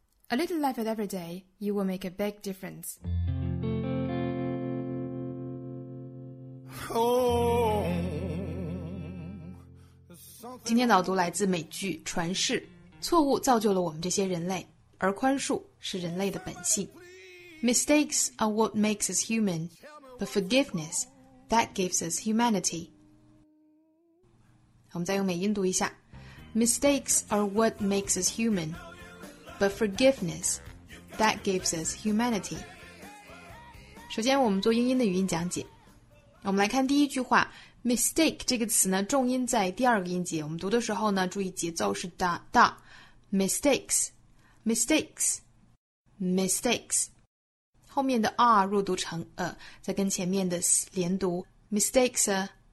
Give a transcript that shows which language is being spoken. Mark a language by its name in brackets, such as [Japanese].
[English] A little life at every day, you will make a big difference. [Chinese] Oh, 今天早读来自美剧《传世》。错误造就了我们这些人类，而宽恕是人类的本性。 [English] Mistakes are what makes us human, but forgiveness, that gives us humanity. [Chinese] 我们再用美音读一下。 [English] Mistakes are what makes us human, but forgiveness, that gives us humanity. [Chinese] 首先我们做英音的语音讲解。我们来看第一句话， mistake 这个词呢，重音在第二个音节，我们读的时候呢，注意节奏是哒哒。 [English] Mistakes, mistakes, mistakes. [Chinese] 后面的 R 弱读成再跟前面的连读 mistakes.